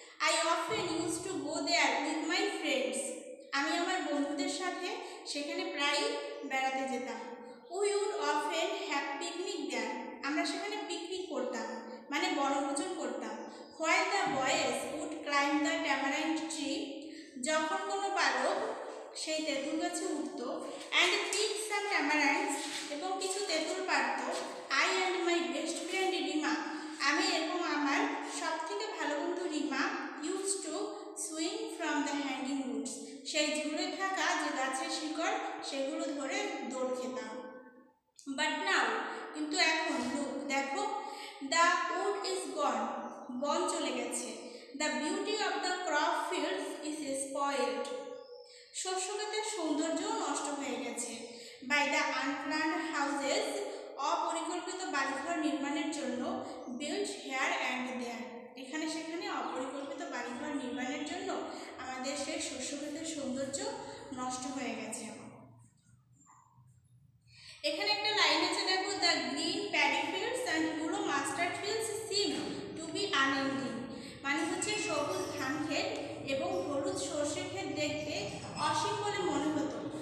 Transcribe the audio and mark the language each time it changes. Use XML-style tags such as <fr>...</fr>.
<en>I often used to go there with my friends.</en> <bn>আমি আমার বন্ধুদের সাথে সেখানে প্রায়ই বেড়াতে যেতাম।</bn> <en>We would often have picnic there.</en> <bn>আমরা সেখানে পিকনিক করতাম, মানে বনভোজন করতাম।</bn> <en>While the boys would climb the tamarind tree.</en> <bn>যখন কোনো বালক সেই তেঁতুল গাছে উঠত,</bn> <en>and pick some tamarinds,</en> <bn>এবং কিছু তেঁতুল পারত,</bn> <en>I and my best friend Rima,</en> <bn>আমি এবং আমার সবথেকে ভালো বন্ধু Rima,</bn> <en>used to swing from the hanging roots.</en> <bn>সেই ঝুলে থাকা যে গাছের শিকড় সেগুলো ধরে দৌড় খেতাম।</bn> <en>But now,</en> <bn>কিন্তু এখন</bn> <en>look,</en> <bn>দেখো,</bn> <en>the wood is gone,</en> <bn>বন চলে গেছে।</bn> <en>The beauty of the crop fields is spoiled.</en> <bn>শস্যক্ষেতের সৌন্দর্য নষ্ট হয়ে গেছে।</bn> <en>By the unplanned houses,</en> <bn>অপরিকল্পিত বাড়িঘর নির্মাণের জন্য,</bn> <en>built here and there.</en> <bn>এখানে সেখানে অপরিকল্পিত বাড়িঘর নির্মাণের জন্য আমাদের সেই শস্যক্ষেতের সৌন্দর্য নষ্ট হয়ে গেছে। এখানে একটা লাইন আছে, দেখো,</bn> <en>the green paddy fields and yellow mustard fields seem to be unending,</en> <bn>মানে হচ্ছে সবুজ ধান ক্ষেত এবং হলুদ সর্ষে ক্ষেত দেখতে অসীম বলে মনে হতো।</bn>